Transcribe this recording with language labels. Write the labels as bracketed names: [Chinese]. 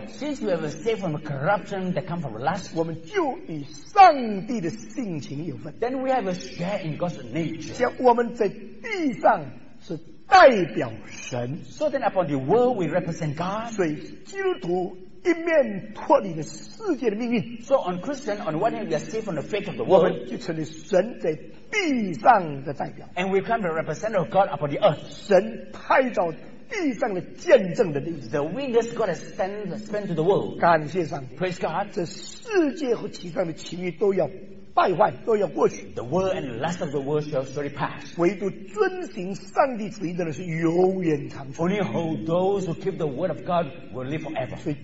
[English] Since we have a share from corruption that comes from lust, [Chinese] 我们就与上帝的性情有份。 [English] Then we have a share in God's nature. [Chinese] 像我们在地上是代表神。 [English] So then upon the world we represent God. [Chinese] 所以基督徒一面脱离了世界的命运。 [English] So on Christian, on one hand we are saved from the fate of the world. [Chinese] 我们就成了神在地上的代表。 [English] And we come to represent of God upon the earth. [Chinese] 神派召 地上的见证的例子， [English] the witness God has sent to the world. [Chinese] 感谢上帝。 [English] Praise God. [Chinese] 这世界和其上的情欲都要败坏，都要过去。 [English] The world and the lust of the world shall surely pass. [Chinese] 唯独遵行上帝旨意的人是永远长存。 [English] Only hold those who keep the word of God will live forever.